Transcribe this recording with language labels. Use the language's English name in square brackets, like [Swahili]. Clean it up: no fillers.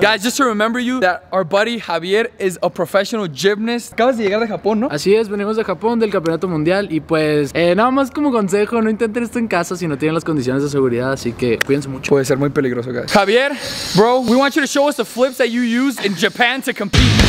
[English] Guys, just to remember you that our buddy Javier is a professional gymnast. [Spanish] Acabas de llegar de Japón, ¿no? Así es, venimos de Japón, del campeonato mundial. Y pues, nada más como consejo, no intenten esto en casa si no tienen las condiciones de seguridad. Así que cuídense mucho. Puede ser muy peligroso, [English] guys. Javier, bro, we want you to show us the flips that you use in Japan to compete.